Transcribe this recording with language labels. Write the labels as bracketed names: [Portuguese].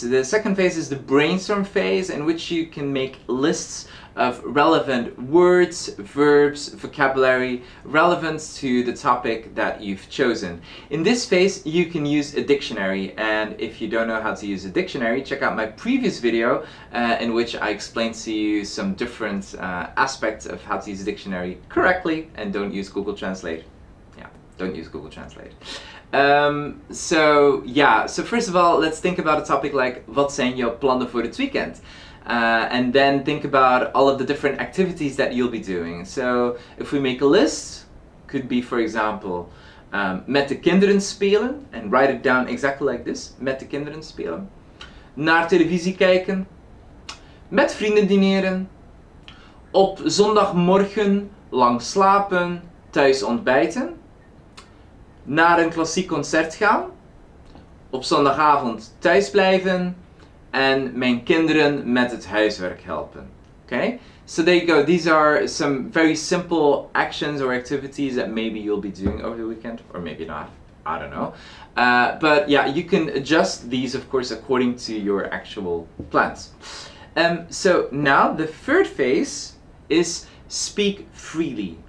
[English] The second phase is the brainstorm phase, in which you can make lists of relevant words, verbs, vocabulary, relevant to the topic that you've chosen. In this phase, you can use a dictionary, and if you don't know how to use a dictionary, check out my previous video, in which I explained to you some different aspects of how to use a dictionary correctly, and don't use Google Translate. Yeah, don't use Google Translate. So first of all, let's think about a topic like [Dutch] wat zijn jouw plannen voor het weekend? [English] And then think about all of the different activities that you'll be doing. So if we make a list, could be for example, [Dutch] met de kinderen spelen, [English] and write it down exactly like this, [Dutch] met de kinderen spelen, naar televisie kijken, met vrienden dineren, op zondagmorgen lang slapen, thuis ontbijten, naar een klassiek concert gaan, op zondagavond thuis blijven en mijn kinderen met het huiswerk helpen. [English] Okay? So there you go. These are some very simple actions or activities that maybe you'll be doing over the weekend, or maybe not. I don't know. But yeah, you can adjust these, of course, according to your actual plans. So now the third phase is speak freely.